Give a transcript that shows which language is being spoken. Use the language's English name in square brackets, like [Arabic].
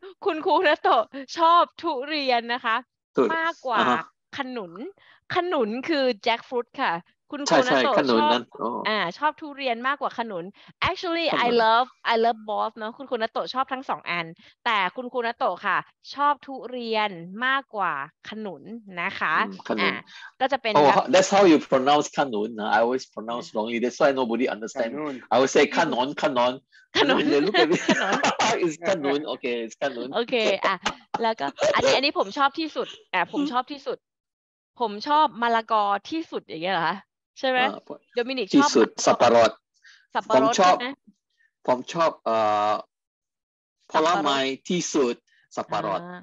[Thai] ณครูนัตโตชอบทุเรียนนะคะมากกว่าขนุนขนุนคือแจ็คฟรุตค่ะคุณครูนัตโตชอบชอบทุเรียนมากกว่าขนุน [English] actually I love both [Thai] เนาะคุณครูนัตโตชอบทั้งสองอันแต่คุณครูนัตโตค่ะชอบทุเรียนมากกว่าขนุนนะคะก็จะเป็น [English] that's how you pronounce ขนุน I always pronounce wrongly that's why nobody understand I would say ขนุนขนุน [Thai] ขนุนเลยลูก ค้า is ขนุนโอเค is ขนุน โอเคแล้วก็อันนี้ผมชอบที่สุดผมชอบที่สุดผมชอบมะละกอที่สุดอย่างเงี้ยเหรอคะใช่ไหมโดมินิกชอบ ที่สุดสับปะรด สับปะรดใช่ไหม ผมชอบผลไม้ที่สุดสับปะรด